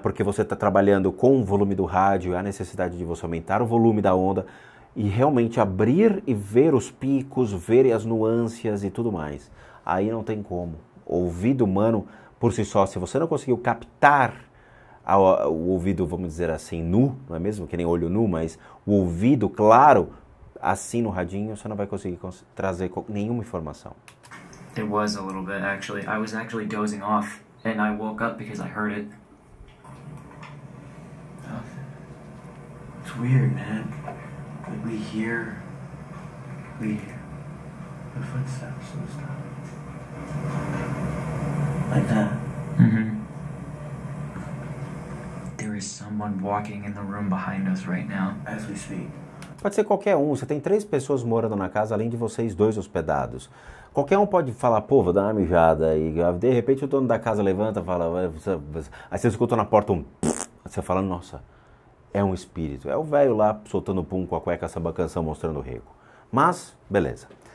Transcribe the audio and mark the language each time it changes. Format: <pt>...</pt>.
<pt>Porque você tá trabalhando com o volume do rádio, há necessidade de você aumentar o volume da onda e realmente abrir e ver os picos, ver as nuances e tudo mais. Aí não tem como. O ouvido humano... Por si só, se você não conseguiu captar o ouvido, vamos dizer assim, nu, não é mesmo? Que nem olho nu, mas o ouvido, claro, assim no radinho, você não vai conseguir trazer nenhuma informação.</pt> <en>It was a little bit, actually. I was actually dozing off, and I woke up because I heard it. It's weird, man. Like, we hear the footsteps and stuff. Like that. Mm-hmm. There is someone walking in the room behind us right now. As we speak.</en> <pt>Pode ser qualquer um. Você tem três pessoas morando na casa, além de vocês dois hospedados. Qualquer um pode falar, pô, vou dar uma mijada. E de repente o dono da casa levanta e fala... Aí você escuta na porta um... Você fala, nossa, é um espírito. É o velho lá soltando pum com a cueca, essa bacanção mostrando o rego. Mas, beleza.</pt>